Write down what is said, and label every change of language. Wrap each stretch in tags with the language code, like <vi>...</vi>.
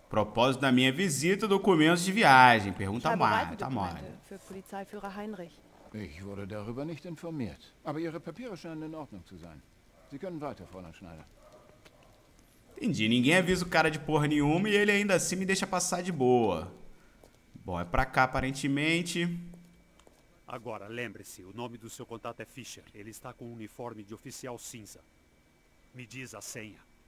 <pt>Propósito da minha visita, documentos de viagem. Pergunta mal, tá mal.</pt> <de>Für Polizeiführer Heinrich. Ich wurde darüber nicht informiert. Aber Ihre Papiere scheinen in Ordnung zu sein. Sie können weiter, Fräulein Schneider.</de> <pt>Entendi, ninguém avisa o cara de porra nenhuma e ele ainda assim me deixa passar de boa. Bom, é pra cá aparentemente. Agora, lembre-se, o nome do seu contato é Fischer. Ele está com um uniforme de oficial cinza. Me diz a senha.</pt>